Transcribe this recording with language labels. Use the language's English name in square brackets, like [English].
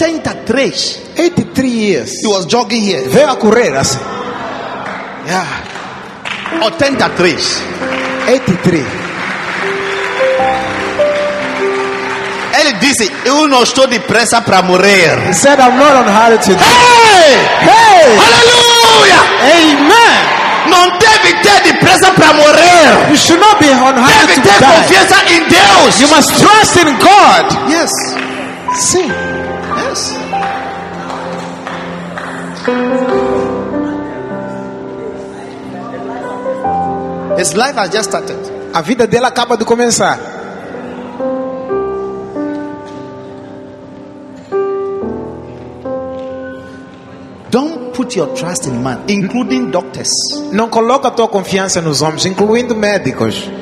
[English] 83. 83 years. He was jogging here. [Portuguese] Veio a correr assim. [English] Yeah. 83. [Portuguese] 83. Ele disse, eu não estou depressa para morrer. [English] He said, I'm not on hard to die. Hey! Hey! Hallelujah! Amen! [Portuguese] Não deve ter depressa para morrer. [English] You should not be on hard [Portuguese] deve [English] to die. [Portuguese] Deve ter confiança em Deus. [English] You must trust in God. Yes. [Portuguese] Sim. [English] Yes. His life has just started. [Portuguese] A vida dele acaba de começar. [English] Don't put your trust in man, including doctors. [Portuguese] Não coloca tua confiança nos homens, incluindo médicos.